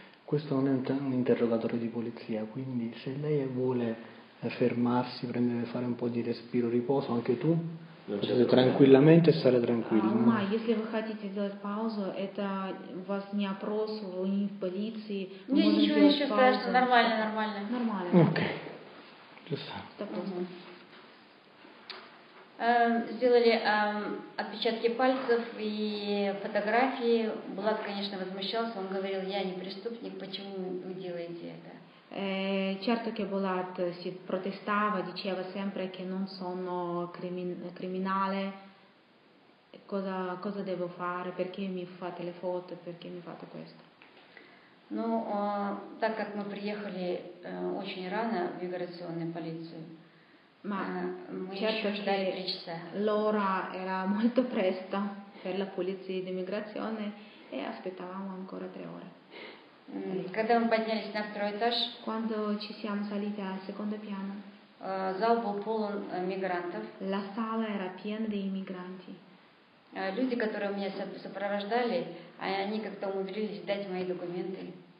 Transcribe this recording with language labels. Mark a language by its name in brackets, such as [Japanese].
[Italian] Questo non è un interrogatorio di polizia, quindi se lei vuole fermarsi, prendere, fare un po' di respiro, riposo, anche tu, potete tranquillamente stare tranquilli. Ma se voi [Russian] хотите сделать паузу, это вас не опрос в полиции. Не, ничего не считается, нормально. Нормально. [Italian] Ok. Giusto. [Russian] Сделали отпечатки пальцев и фотографии. Булат, конечно, возмущался. Он говорил: "Я не преступник, почему вы делаете это?" [Italian] Certo che Булат si protestava, diceva sempre che non sono criminale. Cosa devo fare? Perché mi fate le foto? Perché mi fate questo? [Russian] Ну, так как мы приехали очень рано в миграционную полицию. [Italian] Ma certo che l'ora era molto presto per la polizia di immigrazione e aspettavamo ancora 3 ore. Quando ci siamo saliti al secondo piano, la sala era piena di immigranti. [Russian] Люди, которые меня сопровождали, они как-то умудрились дать мои документы.